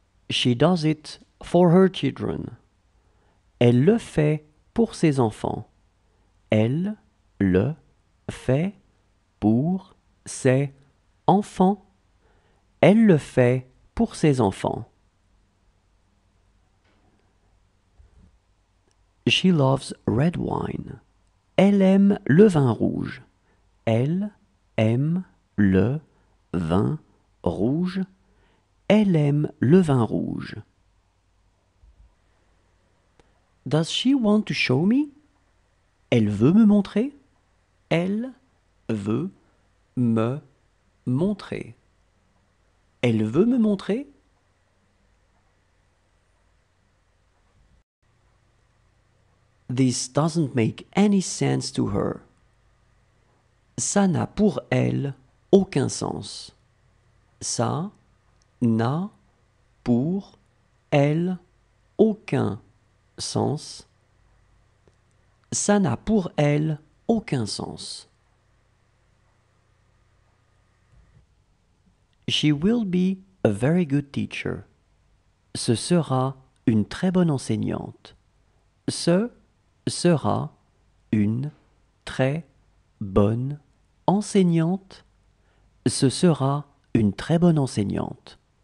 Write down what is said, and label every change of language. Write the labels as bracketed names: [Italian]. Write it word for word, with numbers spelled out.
[English] She does it for her children. [French] Elle le fait pour ses enfants. Elle le fait pour ses enfants. Elle le fait pour ses enfants. [English] She loves red wine. [French] Elle aime le vin rouge. Elle aime le vin rouge. Elle aime le vin rouge. [English] Does she want to show me? [French] Elle veut me montrer. Elle veut me montrer. Elle veut me montrer. [English] This doesn't make any sense to her. [French] Ça n'a pour elle aucun sens. Ça n'a pour elle aucun sens. Ça n'a pour elle aucun sens. [English] She will be a very good teacher. [French] Ce sera une très bonne enseignante. Ce sera une très bonne enseignante. Ce sera une très bonne enseignante.